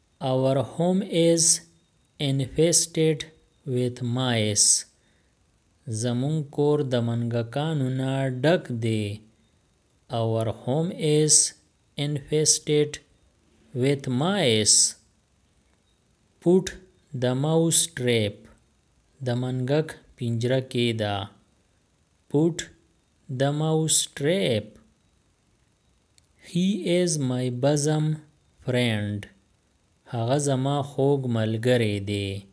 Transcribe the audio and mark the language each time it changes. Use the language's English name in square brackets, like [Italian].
[English] our home is infested with mice, [Pashto] زمون کور د منګکانو نه ډک دی. [English] Our home is infested with mice. Put the mouse trap, [Pashto] د منګک پنجره کې دا. [English] Put the mouse trap. He is my bosom friend, [Pashto] هغه زما خوږ ملګری دی.